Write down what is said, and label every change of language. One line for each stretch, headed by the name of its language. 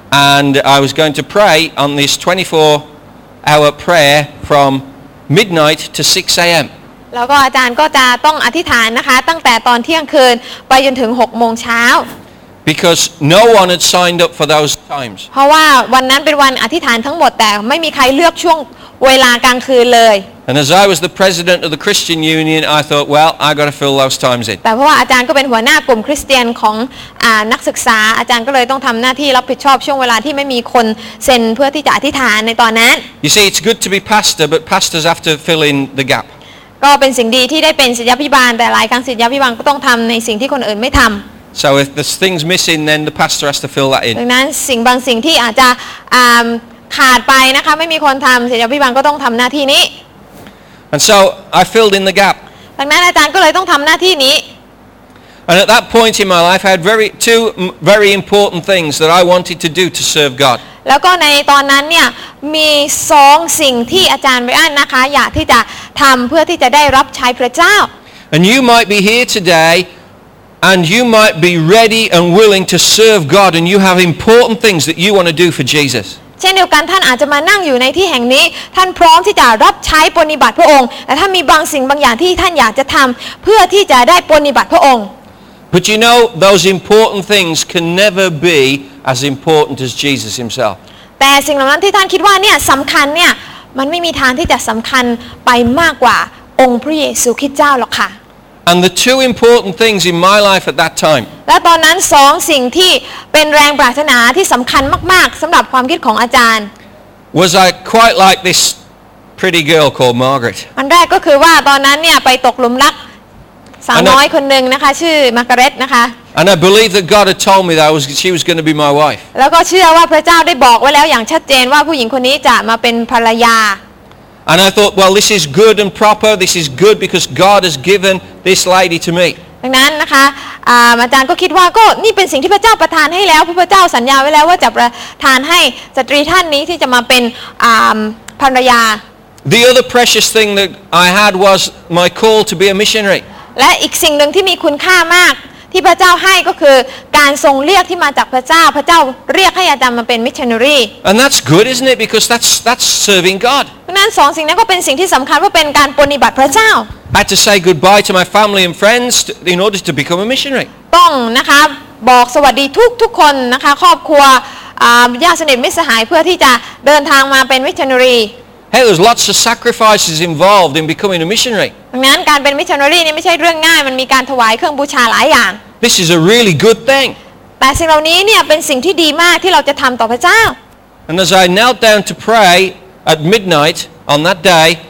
English: And I was going to pray on this 24-hour prayer from midnight to 6 a.m.
Thai: แล้วก็อาจารย์ก็จะต้องอธิษฐานนะคะตั้งแต่ตอนเที่ยงคืนไปจนถึง6โมงเช้า
English: Because no one had signed up for those times.
Thai: เพราะว่าวันนั้นเป็นวันอธิษฐานทั้งหมดแต่ไม่มีใครเลือกช่วงเวลากลางคืนเลย
English: And as I was the president of the Christian Union, I thought, well, I got to fill those times in.
Thai: แต่เพราะว่าอาจารย์ก็เป็นหัวหน้ากลุ่มคริสเตียนของนักศึกษาอาจารย์ก็เลยต้องทำหน้าที่รับผิดชอบช่วงเวลาที่ไม่มีคนเซ็นเพื่อที่จะอธิษฐานในตอนนั้น
English: You see, it's good to be pastor, but pastors have to fill in the gap.
Thai: ก็เป็นสิ่งดีที่ได้เป็นศิษยาภิบาลแต่หลายครั้งศิษยาภิบาลก็ต้องทำในสิ่งที่คนอื่นไม่ทำ
English: So if there's things missing, then the pastor has to fill that in.
Thai: ดังนั้นสิ่งบางสิ่งที่อาจจะขาดไปนะคะไม่มีคนทำศิษยาภิบาลก็ต้องทำหน้าที่นี้
English: And so I filled in the gap.
Thai: ดังนั้นอาจารย์ก็เลยต้องทำหน้าที่นี้
English: And at that point in my life, I had two very important things that I wanted to do to serve God.
Thai: แล้วก็ในตอนนั้นเนี่ยมีสองสิ่งที่อาจารย์ไบอันนะคะอยากที่จะทำเพื่อที่จะได้รับใช้พระเจ้า
English: And you might be here today, and you might be ready and willing to serve God, and you have important things that you want to do for Jesus.
Thai: เช่นเดียวกันท่านอาจจะมานั่งอยู่ในที่แห่งนี้ท่านพร้อมที่จะรับใช้ปฏิบัติพระองค์แต่ท่านมีบางสิ่งบางอย่างที่ท่านอยากจะทำเพื่อที่จะได้ปฏิบัติพระองค์
English: But you know those important things can never be as important as Jesus himself
Thai: แต่สิ่งเหล่านั้นที่ท่านคิดว่าเนี่ยสำคัญเนี่ยมันไม่มีทางที่จะสำคัญไปมากกว่าองค์พระเยซูคริสต์เจ้าหรอกค่ะ
English: And the two important things in my life at that time
Thai: และตอนนั้นสองสิ่งที่เป็นแรงปรารถนาที่สำคัญมากๆสำหรับความคิดของอาจารย์
English: Was I quite like this pretty girl called Margaret.
Thai: อันแรกก็คือว่าตอนนั้นเนี่ยไปตกหลุมรักสาวน้อยคนหนึ่งนะคะชื่อมาร์กาเร็ตนะคะ
English: And I believe that God had told me that she was going to be my wife.
Thai: แล้วก็เชื่อว่าพระเจ้าได้บอกไว้แล้วอย่างชัดเจนว่าผู้หญิงคนนี้จะมาเป็นภรรยา
English: And I thought, well, this is good and proper. This is good because God has given this lady to me.
Thai: ดังนั้นนะคะอาจารย์ก็คิดว่าก็นี่เป็นสิ่งที่พระเจ้าประทานให้แล้วพระเจ้าสัญญาไว้แล้วว่าจะประทานให้สตรีท่านนี้ที่จะมาเป็นภรรยา
English: The other precious thing that I had was my call to be a missionary
Thai: และอีกสิ่งหนึ่งที่มีคุณค่ามากที่พระเจ้าให้ก็คือการทรงเรียกที่มาจากพระเจ้าพระเจ้าเรียกให้อาจารย์มาเป็นมิชชันนารี
English: And that's good isn't it because that's serving God
Thai: นั้นสองสิ่งนั้นก็เป็นสิ่งที่สำคัญว่าเป็นการปฏิบัติพระเจ้า
English: I had to say goodbye to my family and friends in order to become a missionary.
Thai: ต้องนะคะบอกสวัสดีทุกคนนะคะครอบครัวญาติสนิทมิตรสหายเพื่อที่จะเดินทางมาเป็นมิชชันนารี
English: Hey, there's lots of sacrifices involved in becoming a missionary.
Thai: ดังนั้นการเป็นมิชชันนารีนี่ไม่ใช่เรื่องง่ายมันมีการถวายเครื่องบูชาหลายอย่าง
English: This is a really good thing.
Thai: แต่สิ่งเหล่านี้เนี่ยเป็นสิ่งที่ดีมากที่เราจะทำต่อพระเจ้า
English: And as I knelt down to pray at midnight on that day.